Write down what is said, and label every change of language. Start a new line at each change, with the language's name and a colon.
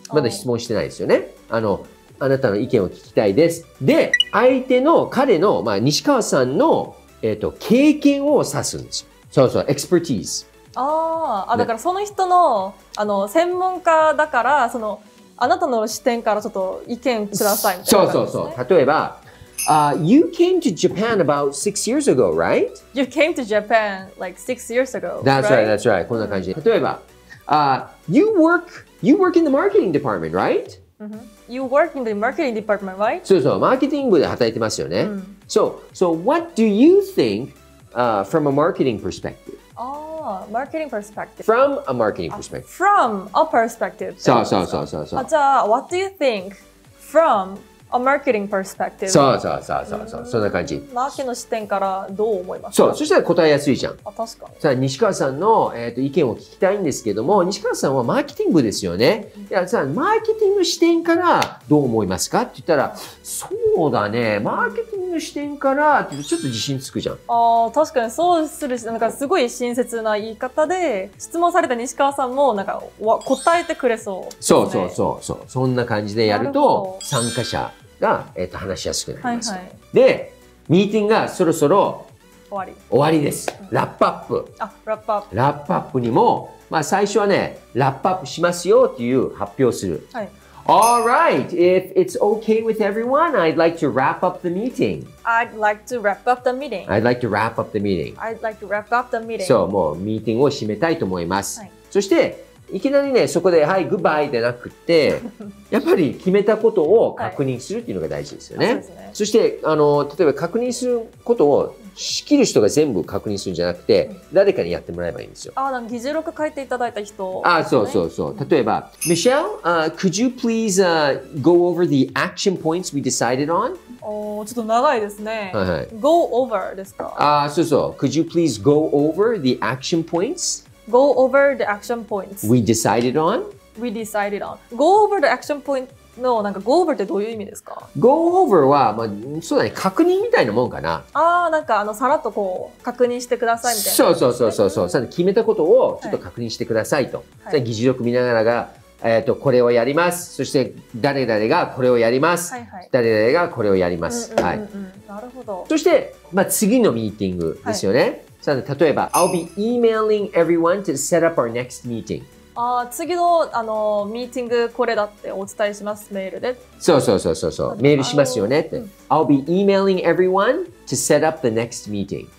Japanese: まだ質問してないですよね。あなたの意見を聞きたいです。で、相手の、彼の、まあ、西川さんの、経験を指すんですよ。そうそう、expertise。あ、だからその人の、専門家だから、その、あなたの視点からちょっと意見くださいみたいな、ね。そうそうそう。例えば、
English: you came to Japan about 6 years ago, right? You came to Japan like 6 years ago. That's right, that's right.
Japanese: こんな感じ。例えば、
English: you work in the marketing department, right? You work in the marketing department, right?
Japanese: そうそう、マーケティング部で働いてますよね。
English: So, what do you think, from a marketing perspective? Marketing perspective. From a marketing perspective. From a perspective.
Japanese: そうそうそうそう。じゃあ、
English: what do you think from? A marketing perspective.
Japanese: そうそうそうそう、うん、そんな感じ。マーケの視点からどう思いますか？そう、そしたら答えやすいじゃん。あ、確かに。さあ、西川さんの、意見を聞きたいんですけども、西川さんはマーケティング部ですよね。いや、さあ、マーケティング視点からどう思いますかって言ったら、そうだね、マーケティング視点からってちょっと自信つくじゃん。ああ、確かにそうするし、なんかすごい親切な言い方で、質問された西川さんもなんか答えてくれそう、ね。そうそうそうそう。そんな感じでやると、参加者、が、話しやすくなります、はいはい、で、ミーティングがそろそろ終わりです、うん、ラップアップあ、ラップアップラップアップにも、まあ、最初はね、ラップアップしますよという発表する、はい、
English: All right, if it's okay with everyone, I'd like to wrap up the meeting I'd like to wrap up the meeting I'd like to wrap up the meeting I'd like to wrap up the meeting
Japanese: そう、もうミーティングを締めたいと思います、はい、そして、いきなりね、そこで、はい、グッバイでなくって、やっぱり決めたことを確認するっていうのが大事ですよね。はい、そうですね。そして、例えば確認することを仕切る人が全部確認するんじゃなくて、うん、誰かにやってもらえばいいんですよ。あ、なんか議事録書いていただいた人、ね。あ、そうそうそう。例えば、うん、
English: Michelle, could you please, go over the action points we decided on?
Japanese: ちょっと長いですね。はいはい。 go over ですか？あ、そうそう。
English: could you please go over the action points? Go over the action points. We decided on? We decided on. Go over the action point
Japanese: のなんか go over ってどういう意味ですか ?Go over は、まあ、そうだね、確認みたいなもんかな。ああ、なんかさらっとこう、確認してくださいみたいな、ね。そうそうそうそう。決めたことをちょっと確認してくださいと。はい、議事録見ながらが、これをやります。そして、誰々がこれをやります、はいはい。誰々がこれをやります。うんうんうん、はい。なるほど。そして、まあ、次のミーティングですよね。はい例えば、
English: I'll be emailing everyone to set up our next meeting.
Japanese: あ次の、ミーティング、これだってお伝えします、メールで。そうそうそうそう、そう。メールしますよねって、うん。
English: I'll be emailing everyone to set up the next meeting.